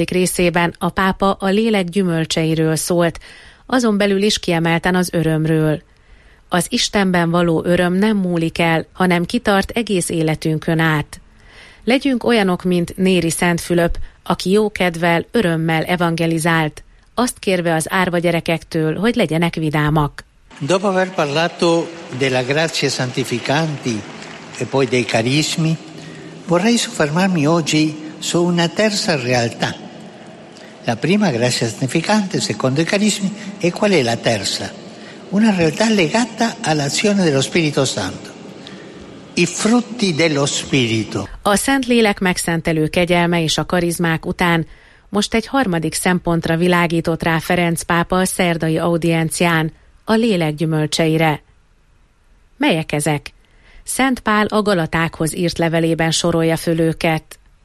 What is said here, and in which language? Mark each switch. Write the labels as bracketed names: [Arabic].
[Hungarian] részében a pápa a lélek gyümölcseiről szólt, azon belül is kiemelten az örömről. Az Istenben való öröm nem múlik el, hanem kitart egész életünkön át. Legyünk olyanok, mint Néri Szent Fülöp, aki jókedvel, örömmel evangelizált, azt kérve az árva gyerekektől, hogy legyenek vidámak. [Italian] Dopo aver parlato della grazia santificanti e poi dei carismi, vorrei soffermarmi oggi su una terza realtà. La prima grazia santificante, secondo i carismi, e qual è la terza? Una realtà legata all'azione dello Spirito Santo. I frutti dello Spirito. [Hungarian] A Szentlélek megszentelő kegyelme és a karizmák után most egy harmadik szempontra világított rá Ferenc pápa a szerdai audiencián, a lélek gyümölcseire. Melyek ezek? Szent Pál a Galatákhoz írt levelében sorolja föl őket.